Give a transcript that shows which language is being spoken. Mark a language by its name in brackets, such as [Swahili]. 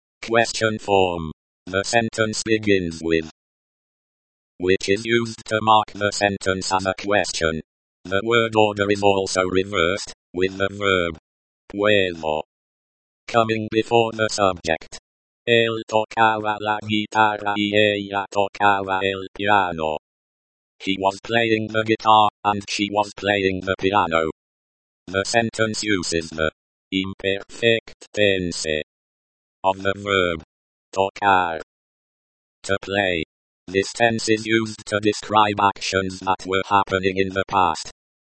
[English] Question form. The sentence begins with, which is used to mark the sentence as a question. The word order is also reversed, with the verb puedo coming before the subject. [Spanish] Él tocaba la guitarra y ella tocaba el piano. [English] He was playing the guitar, and she was playing the piano. The sentence uses the imperfect tense of the verb tocar to play. This tense is used to describe actions that were happening in the past.